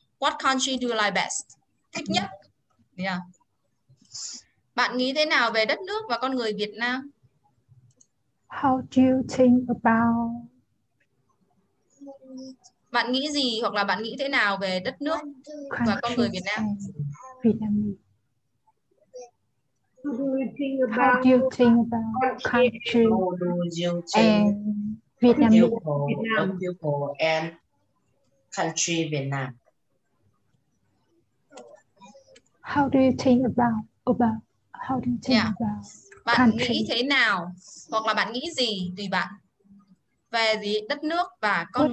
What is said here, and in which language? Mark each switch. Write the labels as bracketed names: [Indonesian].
[English] What country do you like best? [Vietnamese] Thích nhất. [English] Yeah. [Vietnamese] Bạn nghĩ thế nào về đất nước và con người Việt Nam? [English] How do you think about? [Vietnamese] Bạn nghĩ gì hoặc là bạn nghĩ thế nào về đất nước [English] country [Vietnamese] và con người Việt Nam? [English] How do you think about country and Vietnam? People and country Vietnam. How do you think about how do you think yeah. about [Vietnamese] bạn [English] country? [Vietnamese] Nghĩ thế nào hoặc là bạn nghĩ gì tùy bạn về gì đất nước và con